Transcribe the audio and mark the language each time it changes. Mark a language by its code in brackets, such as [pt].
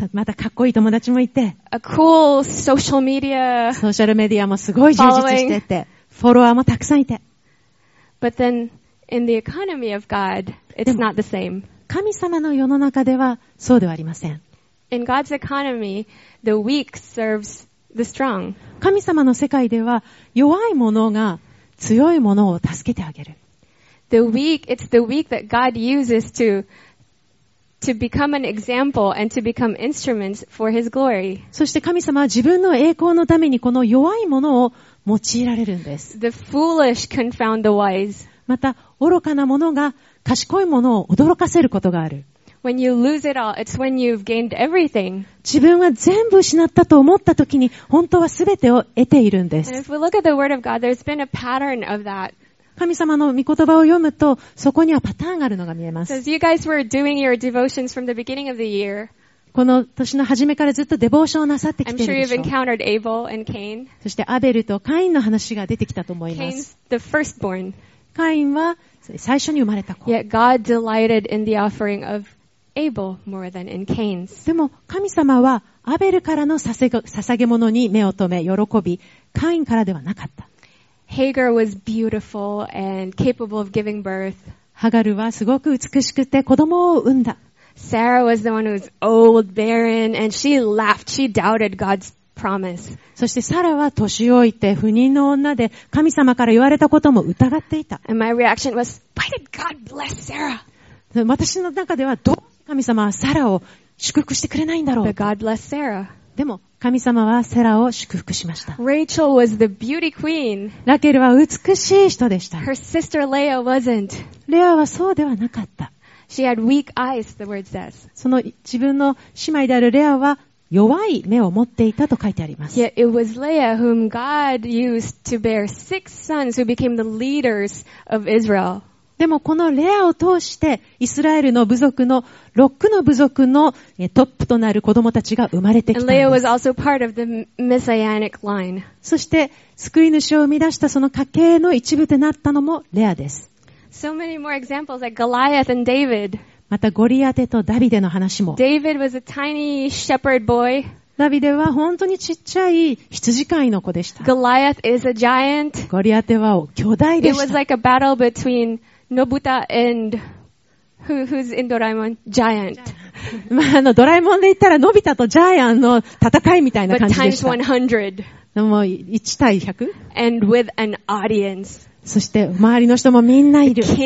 [ja] またかっこいい友達もいて、 [en] A cool social media. [ja] ソーシャルメディアもすごい充実してて、フォロワーもたくさんいて。 [en] But then, in the economy of God, it's not the same. [ja] 神様の世の中ではそうではありません。 [en] In God's economy, the weak serves The strong. [ja] 神様の世界では弱い者が強い者を助けてあげる。 [en] The weak, it's the weak that God uses to become an example and to become instruments for His glory. [ja] そして神様は自分の栄光のためにこの弱い者を用いられるんです。 [en] The foolish confound the wise. [ja] また愚かな者が賢い者を驚かせることがある。 [en] When you lose it all, it's when you've gained everything. [ja] 自分は全部失ったと思った時に本当は全てを得ているんです。 [en] And if we look at the word of God, there's been a pattern of that. [ja] 神様の御言葉を読むとそこにはパターンがあるのが見えます。 [en] So as you guys were doing your devotions from the beginning of the year, [ja] この年の初めからずっとデボーションをなさってきているでしょう。 [en] I'm sure you've encountered Abel and Cain. [ja] そしてアベルとカインの話が出てきたと思います。 [en] Cain's the firstborn. [ja] カインは最初に生まれた子。 [en] Yet God delighted in the offering of Abel more than in Cain's. [ja] でも神様はアベルからの捧げ物に目を留め喜び、カインからではなかった。 [en] Hagar was beautiful and capable of giving birth. [ja] ハガルはすごく美しくて子供を産んだ。 [en] Sarah was the one who was old, barren, and she laughed. She doubted God's promise. [ja] そしてサラは年老いて不妊の女で神様から言われたことも疑っていた。 [en] And my reaction was, why did God bless Sarah? [ja] 私の中ではどうして神様はサラを祝福してくれないんだろう。 [en] But God blessed Sarah. [ja] でも神様はセラを祝福しました。 [en] Rachel was the beauty queen. [ja] ラケルは美しい人でした。 [en] Her sister Leah wasn't. [ja] レアはそうではなかった。 [en] She had weak eyes, the word says. [ja] その自分の姉妹であるレアは弱い目を持っていたと書いてあります。 [en] Yet it was Leah whom God used to bear six sons who became the leaders of Israel. [ja] でもこのレアを通してイスラエルの部族の6の部族のトップとなる子供たちが生まれてきたんです。 [en] And Leah was also part of the messianic line. [ja] そして救い主を生み出したその家系の一部となったのもレアです。 [en] So many more examples like Goliath and David. [ja] またゴリアテとダビデの話も。 [en] David was a tiny shepherd boy. [ja] ダビデは本当にちっちゃい羊飼いの子でした。 [en] Goliath is a giant. [ja] ゴリアテは巨大でした。 [en] It was like a battle between Nobuta and who's in Doraemon? Giant. [ja] まあ、ドラえもんで言ったらのび太とジャイアンの戦いみたいな感じでした。 [en] But times 100. [ja] でも1対100? [en] And with an audience. [ja] そして周りの人もみんないる。